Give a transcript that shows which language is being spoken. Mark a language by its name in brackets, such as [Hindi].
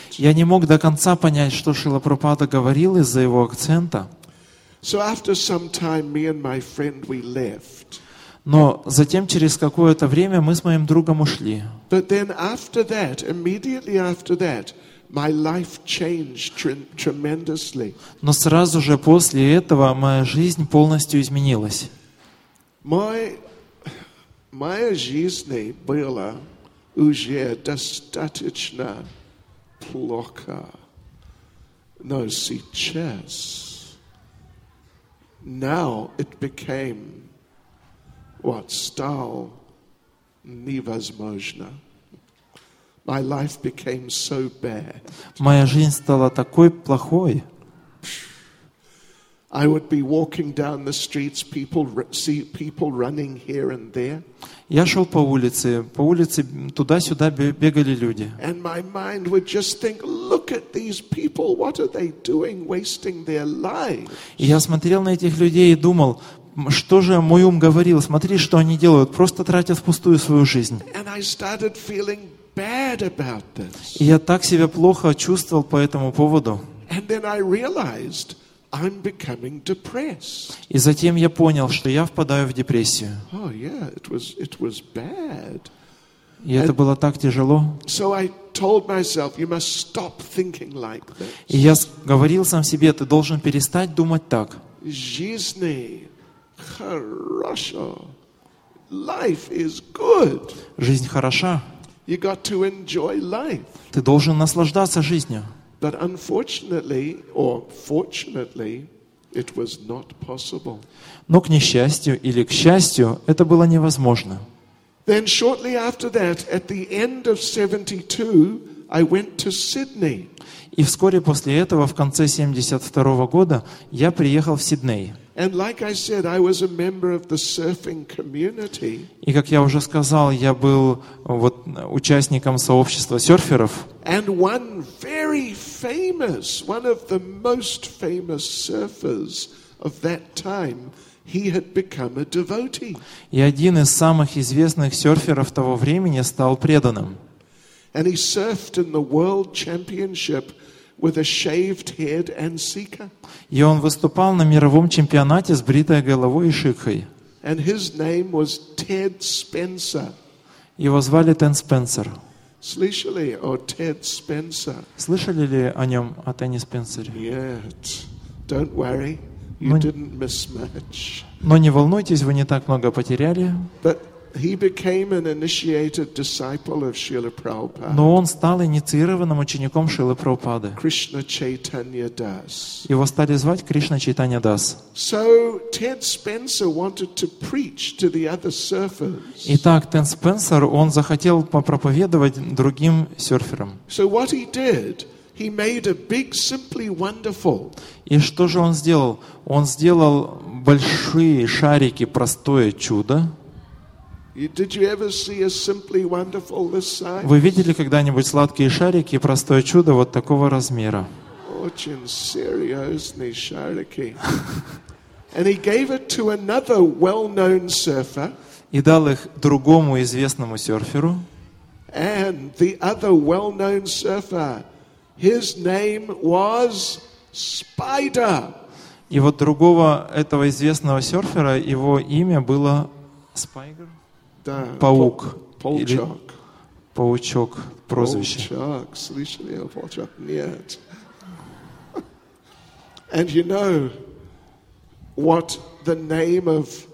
[Russian] Я не мог до конца понять, что Шрила Прабхупада говорил из-за его акцента. [English] So after some time me and my friend we left. [Russian] Но затем через какое-то время мы с моим другом ушли. [English] But then after that, immediately after that, my life changed tremendously. [Russian] Но сразу же после этого моя жизнь полностью изменилась. Моя жизнь была уже достаточно плохо. Но сейчас [English] now it became what [Russian] стало невозможно. [English] My life became so bad. [Russian] Моя жизнь стала такой плохой. [English] I would be walking down the streets, people running here and there. [Russian] Я шел по улице туда-сюда бегали люди. [English] And my mind would just think, look at these people, what are they doing, wasting their lives? [Russian] Я смотрел на этих людей и думал, что же мой ум говорил, смотри, что они делают, просто тратят впустую свою жизнь. [English] And I started feeling bad about this. [Russian] И я так себя плохо чувствовал по этому поводу. [English] And then I realized I'm becoming depressed. [Russian] И затем я понял, что я впадаю в депрессию. [English] Oh yeah, it was bad. [Russian] И это было так тяжело. [English] So I told myself, you must stop thinking like this. [Russian] И я говорил сам себе, ты должен перестать думать так. Жизнь хороша. [English] Life is good. [Russian] Жизнь хороша. [English] You got to enjoy life. [Russian] Ты должен наслаждаться жизнью. [English] But unfortunately, or fortunately, it was not possible. [Russian] Но к несчастью или к счастью, это было невозможно. [English] Then shortly after that, at the end of 72, I went to Sydney. [Russian] И вскоре после этого, в конце 72 года, я приехал в Сидней. [English] And like I said, I was a member of the surfing community. [Russian] И как я уже сказал, я был вот участником сообщества серферов. [English] And one very famous, one of the most famous surfers of that time, he had become a devotee. [Russian] И один из самых известных серферов того времени стал преданным. [English] And he surfed in the World Championship with a shaved head and sikha. [Russian] И он выступал на мировом чемпионате с бритой головой и шикхой. [English] And his name was Ted Spencer. [Russian] Его звали Тед Спенсер. Слышали о Ted Spencer? Слышали ли о нем, о Тедди Спенсере? [English] Yet. Don't worry, you didn't miss much. [Russian] Но не волнуйтесь, вы не так много потеряли. [English] But he became an initiated disciple of Srila Prabhupada. [Russian] Но он стал инициированным учеником Шрилы Прабхупады. [English] Krishna Chaitanya Das. [Russian] Его стали звать Кришна Чайтанья Дас. [English] So Ted Spencer wanted to preach to the other surfers. [Russian] Итак, Тед Спенсер, он захотел попроповедовать другим серферам. [English] So what he did, he made a big simply wonderful. [Russian] И что же он сделал? Он сделал большие шарики, простое чудо. [English] Did you ever see a simply wonderful this size? [Russian] Вы видели когда-нибудь сладкие шарики и простое чудо вот такого размера? Очень серьезные шарики. [English] And he gave it to another well-known surfer. [Russian] И дал их другому известному серферу. [English] And the other well-known surfer, his name was Spider. [Russian] И вот другого этого известного серфера его имя было Spider. Да, паук. Полчок. Или паучок. Прозвище. Полчок. Слышали о полчок? Нет. [English] And you know what the name of